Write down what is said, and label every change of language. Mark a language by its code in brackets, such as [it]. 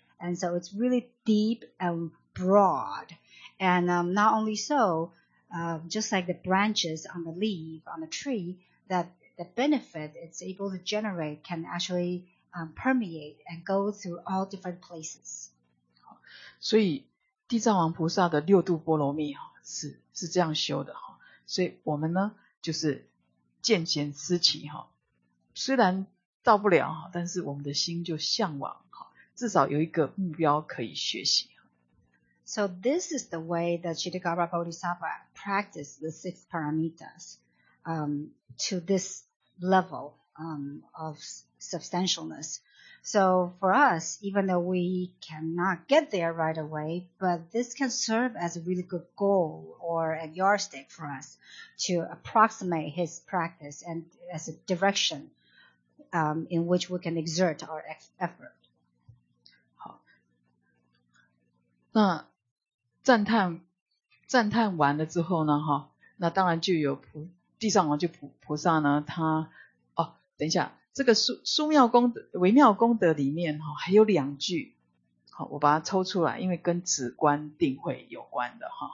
[en] And so it's really deep and broad. And not only so, just like the branches on the leaf, on the tree, that the benefit it's able to generate can actually permeate and go through all different places. [zh] 所以地藏王菩萨的六度波罗蜜是这样修的，所以我们呢就是见贤思齐，虽然到不了，但是我们的心就向往，至少有一个目标可以学习。 [en] So this is the way that Chittagarbha Bodhisattva practiced the six paramitas to this level of substantialness. So for us, even though we cannot get there right away, but this can serve as a really good goal or a yardstick for us to approximate his practice and as a direction in which we can exert our effort. [zh] 好，那赞叹完了之后呢，那当然就有地上王就菩萨呢，等一下，这个微妙功德里面还有两句，好，我把它抽出来，因为跟止观定慧有关的。